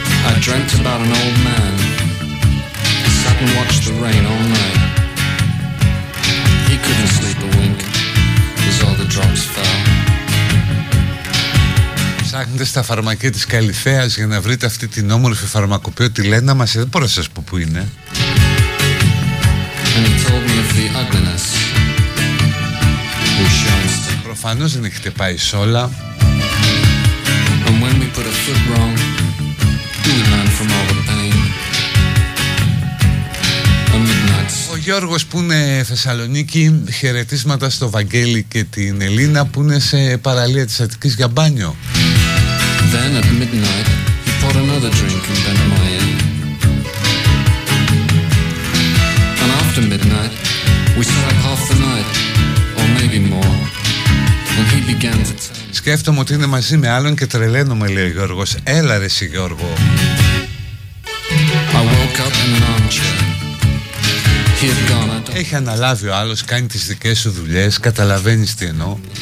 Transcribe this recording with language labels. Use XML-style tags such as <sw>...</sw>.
<en>I dreamt about an old man. He sat and watched the rain all night. He couldn't sleep a wink as all the drops fell.</en> <el>Ψάχνετε στα φαρμακεία της Καλυθέας για να βρείτε αυτή την όμορφη φαρμακοποιό, τη Λένα, μας δεν μπορώ να σας πω που είναι.</el> <en>And he told me of the ugliness who shines to me.</en> <el>Προφανώς δεν έχετε πάει σόλα.</el> <en>And when we put a foot wrong, do we learn from all the pain?</en> <el>Ο Γιώργος που είναι Θεσσαλονίκη, χαιρετίσματα στο Βαγγέλη και την Ελίνα που είναι σε παραλία της Αττικής για μπάνιο.</el> <en>Then at midnight, he poured another drink and bent my ear. And after midnight, we sat up half the night, or maybe more. And he began to tell.</en> <el>Σκέφτομαι ότι είναι μαζί με άλλον και τρελαίνομαι, λέει ο Γιώργος. Έλα ρε εσύ, Γιώργο.</el> <en>I woke up in an armchair.</en> <el>Έχει αναλάβει ο άλλος, κάνει τις δικές σου δουλειές, καταλαβαίνεις τι εννοώ.</el>